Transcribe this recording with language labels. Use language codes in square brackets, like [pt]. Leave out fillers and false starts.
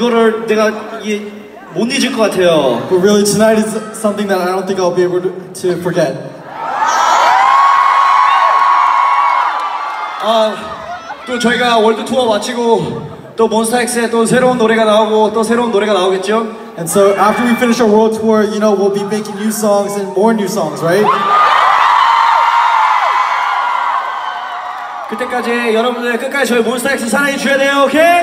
[en] really, tonight is something that I don't think I'll be able to forget. [ko] 또 저희가 월드 투어 마치고 또 몬스타엑스에 또 새로운 노래가 나오고 또 새로운 노래가 나오겠죠? [en] And so after we finish our world tour, you know, we'll be making new songs and more new songs, right? [ko] 그때까지 여러분들 끝까지 저희 몬스타엑스 사랑해 주셔야 돼요, 오케이?